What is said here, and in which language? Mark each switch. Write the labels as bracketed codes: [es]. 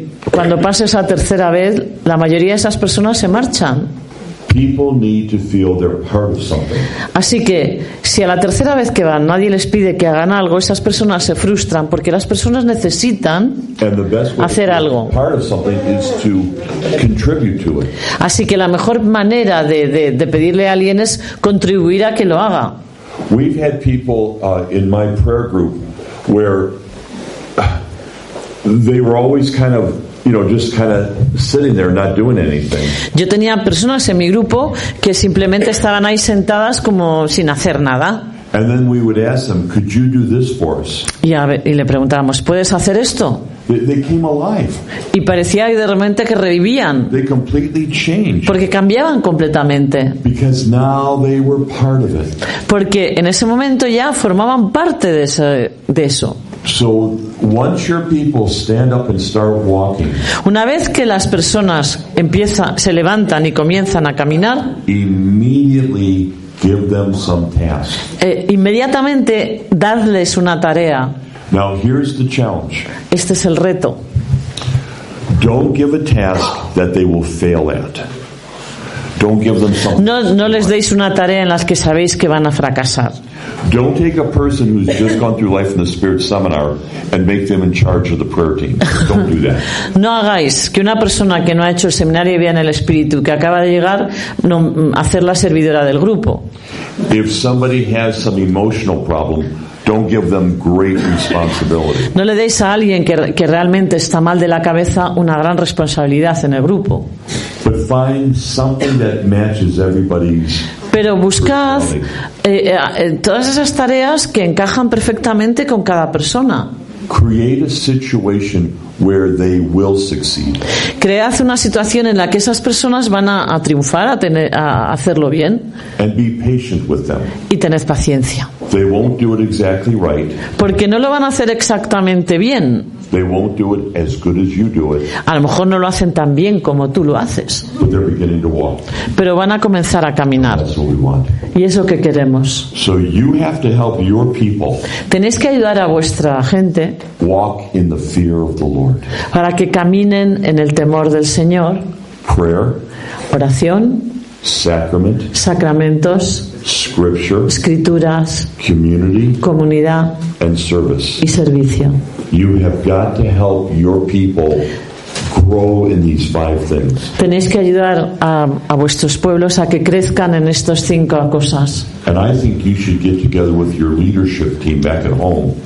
[es] Cuando pasa esa tercera vez, la mayoría de esas personas se marchan. [en] People need to feel they're part of something. [es] Así que, si a la tercera vez que van nadie les pide que hagan algo, esas personas se frustran porque las personas necesitan hacer algo. [en] Part of something is to contribute to it. [es] Así que la mejor manera de pedirle a alguien es contribuir a que lo haga. [en] We've had people in my prayer group where they were always kind of, you know, just kind of sitting there, not doing anything. [es] Yo tenía personas en mi grupo que simplemente estaban ahí sentadas como sin hacer nada. [en] And then we would ask them, "Could you do this for us?" [es] Y le preguntábamos, ¿puedes hacer esto? [en] They came alive. [es] Y parecía de repente que revivían. [en] They completely changed. [es] Porque cambiaban completamente. [en] Because now they were part of it. [es] Porque en ese momento ya formaban parte de eso. [en] So once your people stand up and start walking. [es] Una vez que las personas se levantan y comienzan a caminar, [en] immediately give them some task. [es] Inmediatamente darles una tarea. [en] Now here's the challenge. [es] Este es el reto. [en] Don't give a task that they will fail at. Don't give them something. [es] No les deis una tarea en las que sabéis que van a fracasar. [en] Don't take a person who's just gone through life in the Spirit seminar and make them in charge of the prayer team. Don't do that. [es] No hagáis que una persona que no ha hecho el seminario y vea en el Espíritu, que acaba de llegar, no hacerla servidora del grupo. [en] If somebody has some emotional problem, don't give them great responsibility. [es] No le deis a alguien que realmente está mal de la cabeza una gran responsabilidad en el grupo. [en] But find something that matches everybody's. [es] Pero buscad todas esas tareas que encajan perfectamente con cada persona. [en] Create a situation where they will succeed. [es] Cread una situación en la que esas personas van a triunfar, a hacerlo bien. [en] And be patient with them. [es] Y tened paciencia. [en] They won't do it exactly right. [es] Porque no lo van a hacer exactamente bien. [en] They won't do it as good as you do it. [es] A lo mejor no lo hacen tan bien como tú lo haces. [en] But they're beginning to walk. [es] Pero van a comenzar a caminar. [en] That's what we want. [es] Y eso que queremos. [en] So you have to help your people. [es] Tenéis que ayudar a vuestra gente. [en] Walk in the fear of the Lord. [es] Para que caminen en el temor del Señor. [en] Prayer. [es] Oración. [en] Sacrament. [es] Sacramentos. [en] Scripture. [es] Escrituras. [en] Community. [es] Comunidad. [en] And service. [es] Y servicio. [en] You have got to help your people grow in these five things. [es] Tenéis que ayudar a vuestros pueblos a que crezcan en estos cinco cosas. [en] And I think you should get together with your leadership team back at home.